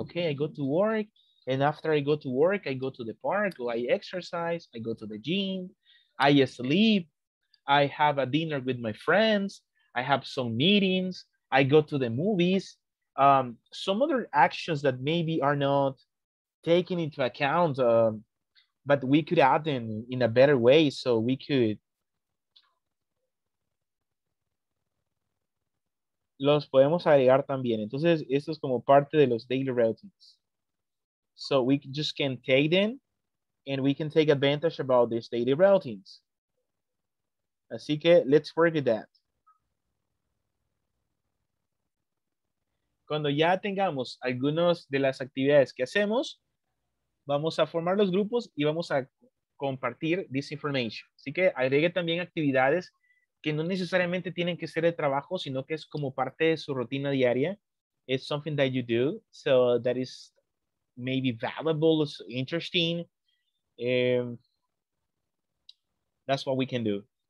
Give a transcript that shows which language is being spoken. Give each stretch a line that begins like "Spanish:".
English: Ok, I go to work, and after I go to work, I go to the park, or I exercise, I go to the gym, I sleep, I have a dinner with my friends, I have some meetings, I go to the movies. Some other actions that maybe are not taken into account, but we could add them in a better way, so we could
Spanish: los podemos agregar también. Entonces, esto es como parte de los daily routines.
English: So we just can take them and we can take advantage about these daily routines.
Spanish: Así que,
English: let's work with that.
Spanish: Cuando ya tengamos algunas de las actividades que hacemos, vamos a formar los grupos y vamos a compartir
English: this information.
Spanish: Así que agregue también actividades que no necesariamente tienen que ser de trabajo, sino que es como parte de su rutina diaria.
English: It's something that you do, so that is maybe valuable, it's interesting. That's what we can do.